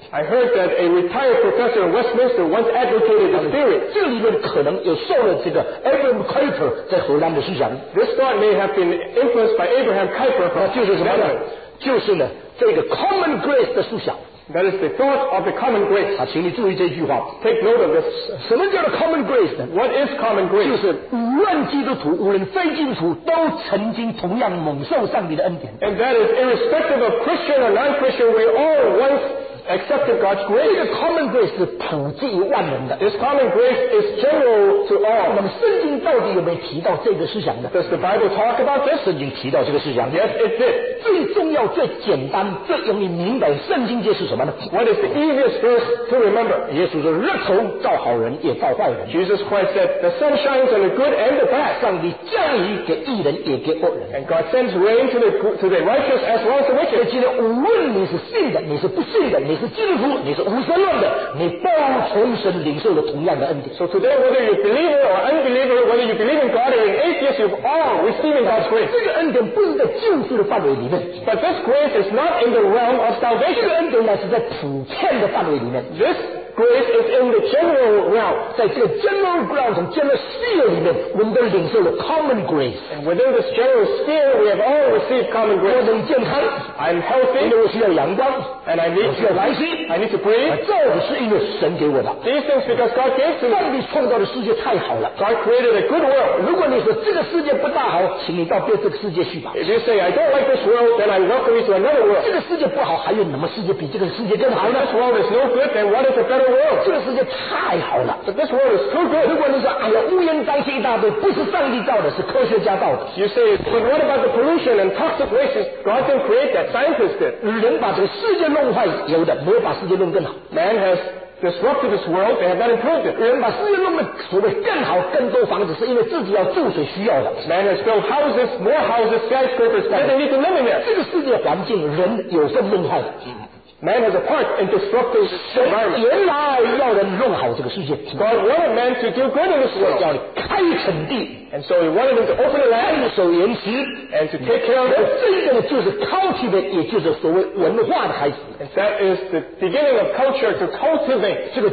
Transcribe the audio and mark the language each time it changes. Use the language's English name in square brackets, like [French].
[English] I heard that a retired professor in Westminster once advocated the theory. [Chinese] 这个理论可能也受了这个Abraham Kuyper在荷兰的思想。 [English] This thought may have been influenced by Abraham Kuyper. [Chinese] 就是呢，这个Common Grace的思想。 [English] That is the thought of the common grace. [Chinese] 请你注意这句话。 [English] Take note of this. [Chinese] 什么叫做 common grace 呢? [English] What is common grace? [Chinese] 就是无论基督徒，无论非基督徒，都曾经同样蒙受上帝的恩典。 [English] And that is irrespective of Christian or non-Christian, we all once accepted God's grace. [Chinese] 这个 common grace 是普及于万人的。 [English] This common grace is general to all. [Chinese] 那么圣经到底有没有提到这个思想呢? [English] Does the Bible talk about this? [Chinese] 圣经提到这个思想。 [English] Yes, it did. [Chinese] 最重要、最简单、最容易明白圣经界是什么呢? [English] What is the easiest verse to remember? [Chinese] 耶稣说日头照好人也照坏人。 [English] Jesus Christ said, the sun shines on the good and the bad. [Chinese] 上帝降雨给义人也给恶人。 [English] And God sends rain to the righteous as well as the wicked. [Chinese] 所以今天无论你是信的，你是不信的。你是基督徒，你是无神论的，你都从神领受了同样的恩典。 [English] So today, whether you believe or unbeliever, whether you believe in God or in atheist, you've all receiving God's grace. [Chinese] 这个恩典不是在救赎的范围里面。 [English] But this grace is not in the realm of salvation. [Chinese] 这个恩典呢是在普遍的范围里面。 [English] This grace is in the general realm. [Chinese] 在这个 [English] general ground [Chinese] 从 [English] general sphere [Chinese] 里面，我们都领受了 common grace. [English] And within this general sphere, we have all received common grace. [Chinese] 我很健康 [English] ，I'm healthy. [Chinese] 因为我需要阳光。 [English] And I need to breathe. [Chinese] 这是因为神给我的。 [English] These things because God gave to me. [Chinese] 上帝创造的世界太好了。 [English] God created a good world. [Chinese] 如果你说这个世界不大好， 请你到别这个世界去吧。 [English] If you say I don't like this world, then I welcome you to another world. [Chinese] 这个世界不好， 还有什么世界比这个世界更好呢？ [English] This world is no good, then what is a better world? [Chinese] 这个世界太好了。 [English] But this world is too good. [Chinese] 如果你说哎呀，乌烟瘴气一大堆， 不是上帝造的， 是科学家造的。 [English] You say, but what about the pollution and toxic waste? God didn't create that, scientists did. [Chinese] 人把这个世界 弄坏有的，没有把世界弄更好。 [English] Man has disrupted this world, they have not improved it. [Chinese] 人把世界弄得所谓更好，更多房子，是因为自己要住所需要的。 [English] Man has built houses, more houses, skyscrapers, but they need to live in it. [Chinese] 这个世界环境，人有时候弄坏了。 [English] Man has a part in disrupting the environment. God wanted man to do good in this world. And so he wanted him to open the land and to take care of it. And that is the beginning of culture to cultivate.